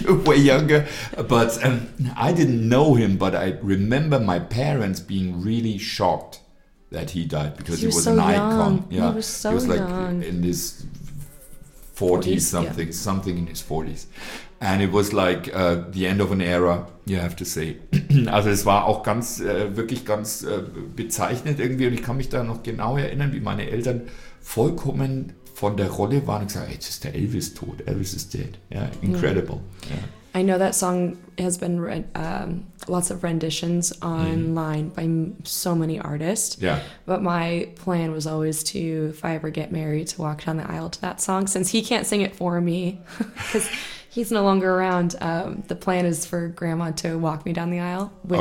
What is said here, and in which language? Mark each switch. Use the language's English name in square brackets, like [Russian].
[English] You're way younger, but I didn't know him, but I remember my parents being really shocked that he died because he was so an icon. Yeah. He was so young. He was like young. In his 40s, something, yeah. Something in his 40s. And it was like the end of an era, you have to say. [German] Also es war auch ganz, wirklich ganz bezeichnet irgendwie. Und ich kann mich da noch genau erinnern, wie meine Eltern vollkommen von der Rolle waren und gesagt haben, hey, jetzt ist der Elvis tot, [English] Elvis is dead. Yeah, incredible. Yeah. I know that song has been read, lots of renditions online by so many artists. Yeah. But my plan was always to, if I ever get married, to walk down the aisle to that song, since he can't sing it for me. Because... he's no longer around. The plan is for grandma to walk me down the aisle with